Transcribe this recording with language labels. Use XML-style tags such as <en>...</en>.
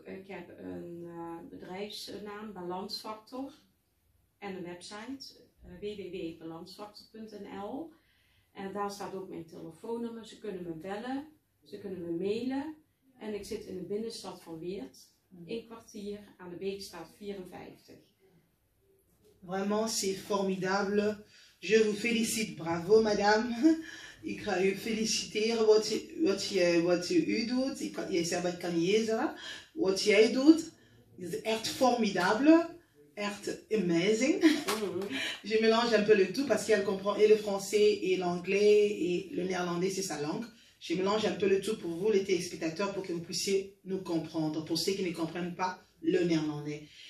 <nl>Ik heb een bedrijfsnaam, Balansfactor. En een website, www.balansfactor.nl. En daar staat ook mijn telefoonnummer. Ze kunnen me bellen, ze kunnen me mailen. En ik zit in de binnenstad van Weert, een kwartier aan de Beekstraat 54.</nl> <fr>Vraiment, c'est formidable. Je vous félicite. Bravo, madame.</fr> <nl>Ik ga u feliciteren wat u doet. Ik kan niet zeggen wat jij doet. Het is echt formidable. Echt amazing.</nl> <fr>Je mélange un peu le tout parce qu'elle comprend et le français et l'anglais et le néerlandais, c'est sa langue. Je mélange un peu le tout pour vous, les téléspectateurs, pour que vous puissiez nous comprendre. Pour ceux qui ne comprennent pas le néerlandais.</fr>